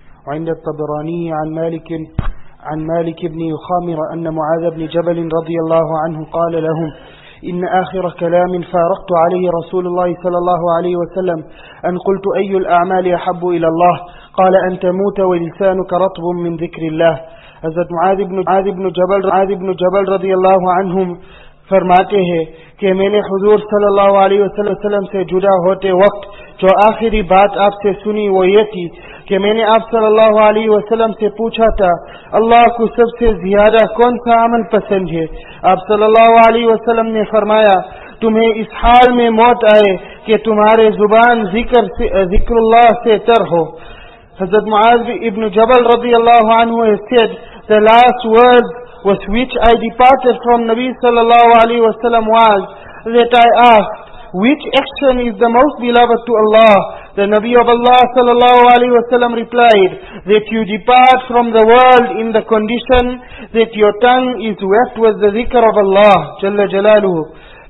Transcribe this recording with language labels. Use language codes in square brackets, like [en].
[ar] عند الطبراني عن مالك عن مالك بن يخامر أن معاذ بن جبل رضي الله عنه قال لهم إن آخر كلام فارقت عليه رسول الله صلى الله عليه وسلم أن قلت أي الأعمال أحب إلى الله؟ قال أن تموت ولسانك رطب من ذكر الله. [ur] حضرت معاذ بن جبل رضي الله عنهم فرماتے ہیں کہ میں نے حضور صلی اللہ علیہ وسلم سے جدا ہوتے وقت جو آخری بات آپ سے سنی وہ یہ تھی کہ میں نے آپ صلی اللہ علیہ وسلم سے پوچھا تھا اللہ کو سب سے زیادہ کون سا عمل پسند ہے. آپ صلی اللہ علیہ وسلم نے فرمایا تمہیں اس حال میں موت آئے کہ تمہارے زبان ذکر اللہ سے تر ہو. [en] حضرت معاذ ابن جبل رضی اللہ عنہ said the last words with which I departed from Nabi sallallahu alayhi wa sallam was that I asked, which action is the most beloved to Allah? The Nabi of Allah sallallahu alayhi wa sallam replied, that you depart from the world in the condition that your tongue is wet with the zikr of Allah, jalla jalaluhu.